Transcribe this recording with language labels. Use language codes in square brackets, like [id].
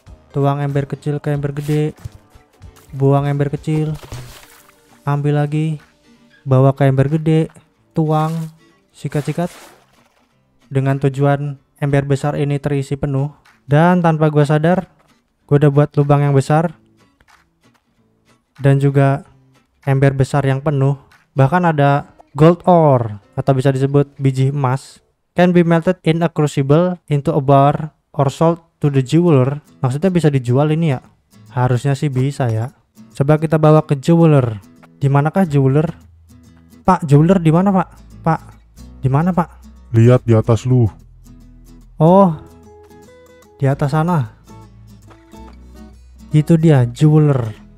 [id] Tuang ember kecil ke ember gede, buang ember kecil, ambil lagi, bawa ke ember gede, tuang, sikat-sikat, dengan tujuan ember besar ini terisi penuh. Dan tanpa gua sadar, gua udah buat lubang yang besar dan juga ember besar yang penuh. Bahkan ada gold ore atau bisa disebut biji emas. [en] Can be melted in a crucible into a bar or salt to the jeweler. [id] Maksudnya bisa dijual ini ya? Harusnya sih bisa ya. Coba kita bawa ke jeweler. Di manakah jeweler? Pak, jeweler di mana, Pak? Pak. Di mana, Pak? Lihat di atas lu. Oh. Di atas sana. Itu dia jeweler.